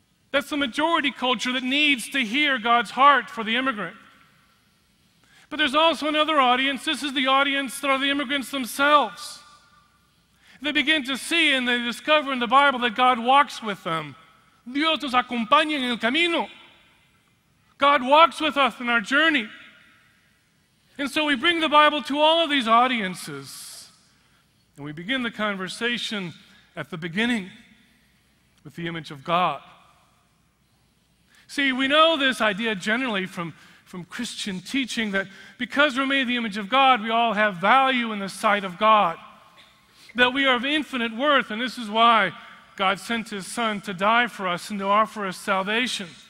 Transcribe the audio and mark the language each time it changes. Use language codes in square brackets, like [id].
[en] That's the majority culture that needs to hear God's heart for the immigrant. But there's also another audience. This is the audience that are the immigrants themselves. They begin to see and they discover in the Bible that God walks with them. [es] Dios nos acompaña en el camino. [en] God walks with us in our journey. And so we bring the Bible to all of these audiences, and we begin the conversation at the beginning. with the image of God. See, we know this idea generally from Christian teaching that because we're made the image of God, we all have value in the sight of God, that we are of infinite worth, and this is why God sent his Son to die for us and to offer us salvation.